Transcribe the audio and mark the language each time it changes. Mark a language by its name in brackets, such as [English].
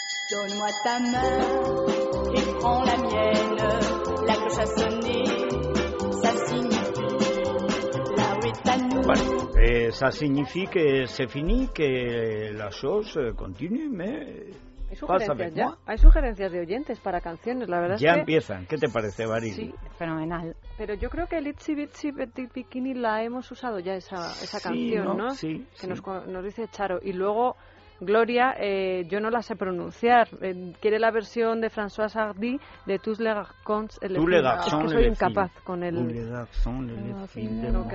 [French] Donne-moi ta main et prends la mienne. La cloche a sonné, ça signifie là où est ta nuit. [Spanish] Bueno. [French] Ça signifie que c'est fini, que la chose continue, mais [Spanish] pasa a ver, ¿no? Hay sugerencias de oyentes para canciones, la verdad ya es que... Ya empiezan, ¿qué te parece, Baril? Sí, fenomenal. Pero yo creo que el Itzy Bitsy Petit Bikini la hemos usado ya, esa canción, ¿no? Sí, que nos dice Charo. Y luego, Gloria, yo no la sé pronunciar. Quiere la versión de François Hardy de Tous les garçons [French] et les filles. [Spanish] Es que soy incapaz con el... [French] Tous les garçons et les filles.